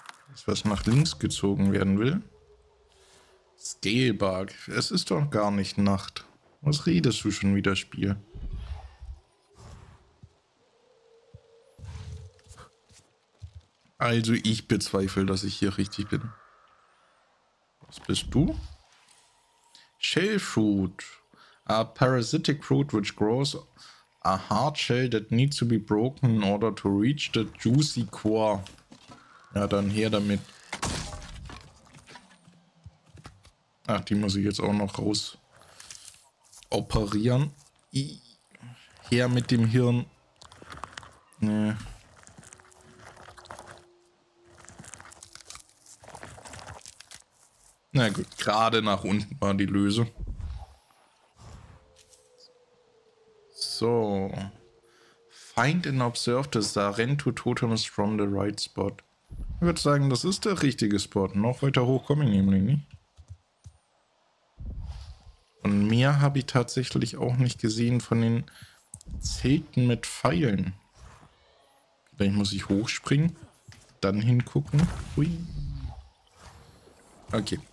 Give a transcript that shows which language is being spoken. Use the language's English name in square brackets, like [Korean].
[German] Das, was nach links gezogen werden will. Scalebug. Es ist doch gar nicht Nacht. Was redest du schon wieder, Spiel? Also ich bezweifle, dass ich hier richtig bin. Was bist du? Shellfruit. [English] A parasitic fruit which grows a hard shell that needs to be broken in order to reach the juicy core. [German] Ja, dann her damit. Ach, die muss ich jetzt auch noch raus operieren. Her mit dem Hirn. Nee. Na gut, gerade nach unten war die Lösung. So. [English] Find and observe the Sarento Totems from the right spot. [German] Ich würde sagen, das ist der richtige Spot. Noch weiter hoch komme ich nämlich nicht. Und mehr habe ich tatsächlich auch nicht gesehen von den Zelten mit Pfeilen. Vielleicht muss ich hochspringen. Dann hingucken. Hui. Okay.